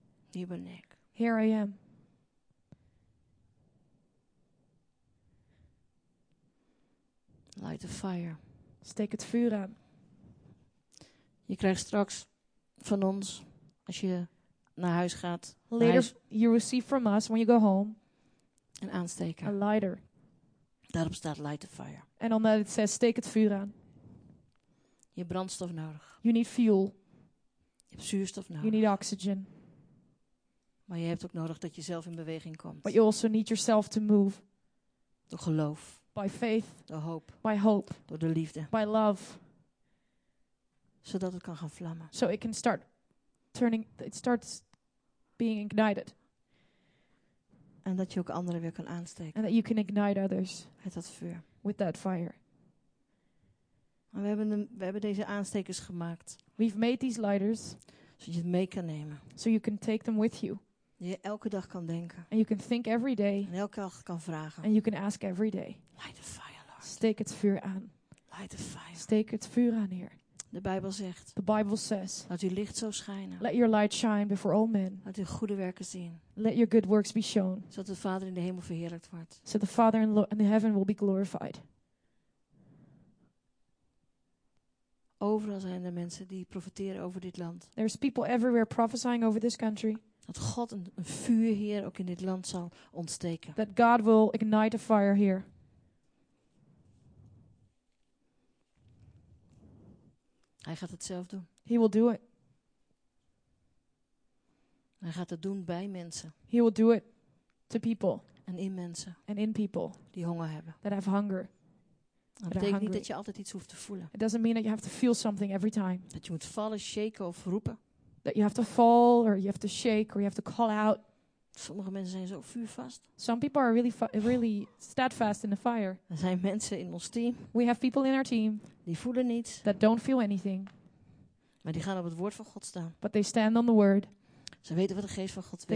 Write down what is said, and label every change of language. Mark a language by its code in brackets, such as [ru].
[nl] Hier ben ik. [en] Here I am. Light the fire. [nl] Steek het vuur aan. Je krijgt straks van ons, als je naar huis gaat. Later, huis, [en] you receive from us when you go home. [nl] Een aansteker. [en] A lighter. [nl] Daarop staat [en] light the fire. And on that it says, [nl] steek het vuur aan. Je hebt brandstof nodig. [en] You need fuel. [nl] Je hebt zuurstof nodig. [en] You need oxygen. [nl] Maar je hebt ook nodig dat je zelf in beweging komt. [en] But you also need yourself to move. [nl] Door geloof. [en] By faith. [nl] Door hoop. [en] By hope. [nl] Door de liefde. [en] By love. [nl] Zodat het kan gaan vlammen. [en] So it can start turning, it starts being ignited. [nl] En dat je ook anderen weer kan aansteken. [en] And that you can ignite others. [nl] Met dat vuur. [en] With that fire. [nl] En we hebben deze aanstekers gemaakt. [en] We've made these lighters. [nl] Zodat je het mee kan nemen. [en] So you can take them with you. [nl] Je elke dag kan denken. [en] And you can think every day. [nl] En elke dag kan vragen. [en] And you can ask every day. Light the fire, Lord. [nl] Steek het vuur aan. [en] Light the fire. [nl] Steek het vuur aan, Heer. De Bijbel zegt. [en] The Bible says. [nl] Laat uw licht zo schijnen. [en] Let your light shine before all men. [nl] Laat uw goede werken zien. [en] Let your good works be shown. [nl] Zodat de Vader in de hemel verheerlijkt wordt. [en] So the Father in the heaven will be glorified. [nl] Overal zijn er mensen die profeteren over dit land. [en] There's people everywhere prophesying over this country. [nl] Dat God een vuur hier ook in dit land zal ontsteken. [en] That God will ignite a fire here. [nl] Hij gaat het zelf doen. [en] He will do it. [nl] Hij gaat het doen bij mensen. [en] He will do it to people. [nl] En in mensen. [en] And in people. [nl] Die honger hebben. [en] That have hunger. [nl] Dat betekent niet dat je altijd iets hoeft te voelen. [en] It doesn't mean that you have to feel something every time. [nl] Dat je moet vallen, shaken of roepen. [en] That you have to fall or you have to shake or you have to call out. [nl] Sommige mensen zijn zo vuurvast. [en] Some people are really steadfast in the fire. [nl] Er zijn mensen in ons team. [en] We have people in our team. [nl] Die voelen niets. [en] That don't feel anything. [nl] Maar die gaan op het woord van God staan. [en] But they stand on the word. [nl] Ze weten wat de geest van God wil.